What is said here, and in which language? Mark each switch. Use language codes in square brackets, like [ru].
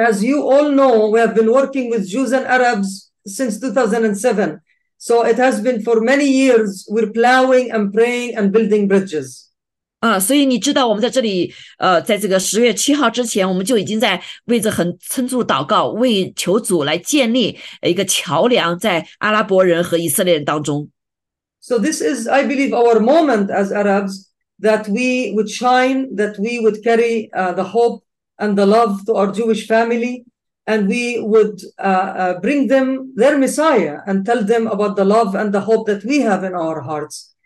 [en] as you all know, we have been working with Jews and Arabs since 2007. So it has been for many years, we're plowing and praying and building bridges. [zh] 所以你知道，我们在这里，在这个10月7号之前，我们就已经在为着很撑住祷告，为求主来建立一个桥梁在阿拉伯人和以色列人当中。 [en] So this is, I believe, our moment as Arabs that we would shine, that we would carry the hope and the love to our Jewish family, and we would bring them their Messiah and tell them about the love and the hope that we have in our hearts.